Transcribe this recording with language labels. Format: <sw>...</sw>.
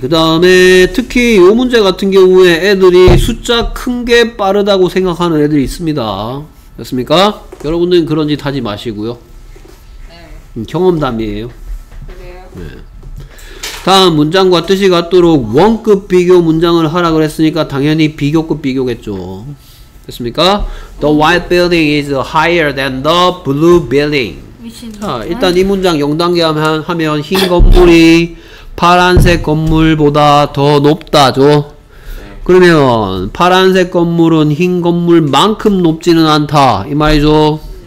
<ko>그 다음에 특히 요 문제 같은 경우에 애들이 숫자 큰 게 빠르다고 생각하는 애들이 있습니다. 됐습니까? 여러분들은 그런 짓 하지 마시고요. 네. 경험담이에요. 그래요? 네. 다음 문장과 뜻이 같도록 원급 비교 문장을 하라 그랬으니까 당연히 비교급 비교겠죠. 됐습니까?</ko> <en>The white building is higher than the blue building.</en> <ko>예. 여기신다. 자, 일단 이 문장 0단계 하면 흰 건물이 파란색 건물보다 더 높다죠. 그러면 파란색 건물은 흰 건물만큼 높지는 않다 이 말이죠.</ko>